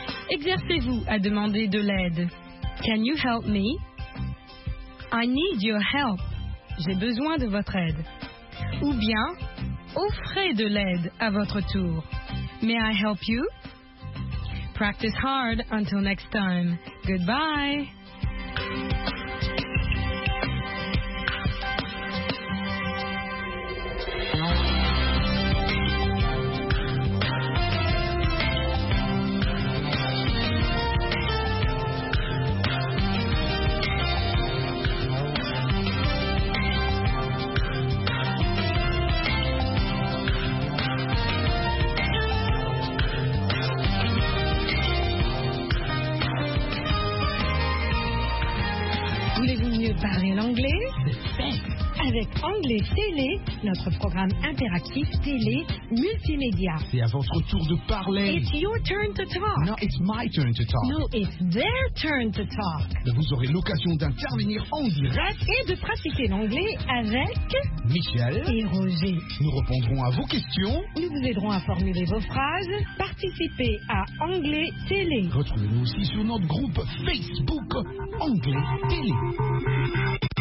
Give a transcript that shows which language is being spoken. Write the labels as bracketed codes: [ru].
[fr] Exercez-vous à demander de l'aide. [en] Can you help me? I need your help. [fr] J'ai besoin de votre aide. Ou bien, offrez de l'aide à votre tour. [en] May I help you? Practice hard until next time. Goodbye. [fr] Parler l'anglais, c'est fait. Avec Anglais Télé, notre programme interactif télé multimédia. C'est à votre tour de parler. [en] It's your turn to talk. No, it's my turn to talk. No, it's their turn to talk. [fr] Vous aurez l'occasion d'intervenir en direct et de pratiquer l'anglais avec Michel et Roger. Nous répondrons à vos questions. Nous vous aiderons à formuler vos phrases. Participez à Anglais Télé. Retrouvez-nous aussi sur notre groupe Facebook Anglais Télé.